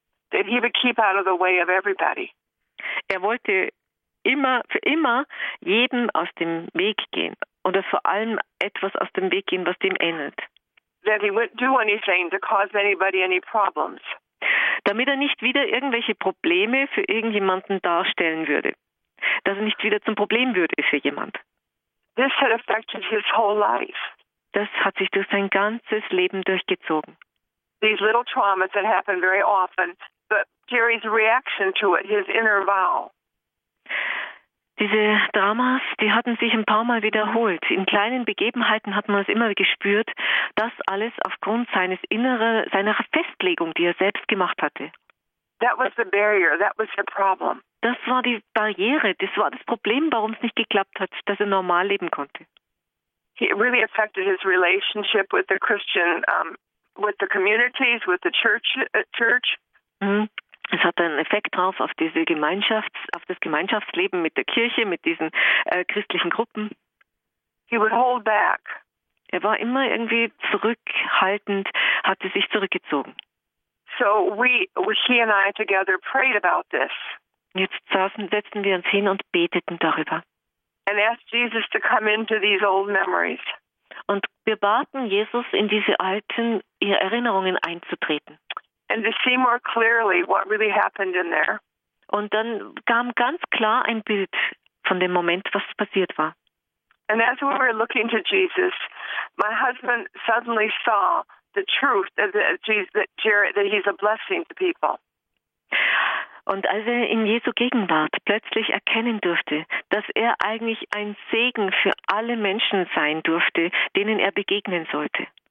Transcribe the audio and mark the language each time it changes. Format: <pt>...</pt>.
<en>That he would keep out of the way of everybody.</en> <de>Er wollte immer, für immer jedem aus dem Weg gehen. Oder vor allem etwas aus dem Weg gehen, was dem ähnelt.</de> <en>That he wouldn't do anything to cause anybody any problems.</en> <de>Damit er nicht wieder irgendwelche Probleme für irgendjemanden darstellen würde. Dass er nicht wieder zum Problem würde für jemanden.</de> <en>This had affected his whole life.</en> <de>Das hat sich durch sein ganzes Leben durchgezogen.</de> <en>These little traumas that happen very often, but Jerry's reaction to it, his inner vow.</en> <de>Diese Dramas, die hatten sich ein paar Mal wiederholt. In kleinen Begebenheiten hat man es immer gespürt, das alles aufgrund seiner Festlegung, die er selbst gemacht hatte.</de> <en>That was the barrier, that was the problem.</en> <de>Das war die Barriere, das war das Problem, warum es nicht geklappt hat, dass er normal leben konnte.</de> <en>It really affected his relationship with the Christian, with the communities, with the church.</en> <de>Es hat einen Effekt drauf auf diese Gemeinschaft, auf das Gemeinschaftsleben mit der Kirche, mit diesen christlichen Gruppen.</de> <en>He would hold back.</en> <de>Er war immer irgendwie zurückhaltend, hatte sich zurückgezogen.</de> <en>So he and I together prayed about this.</en> <de>Jetzt setzten wir uns hin und beteten darüber.</de> <en>And asked Jesus to come into these old memories.</en> <de>Und wir baten Jesus, in diese alten Erinnerungen einzutreten.</de> <en>and to see more clearly what really happened in there.</en> <de>Und dann kam ganz klar ein Bild von dem Moment, was passiert war.</de> <en>And as we were looking to Jesus, my husband suddenly saw the truth that he's a blessing to people.</en> <de>Und als er in Jesu Gegenwart plötzlich erkennen durfte, dass er eigentlich ein Segen für alle Menschen sein durfte, denen er begegnen sollte.</de>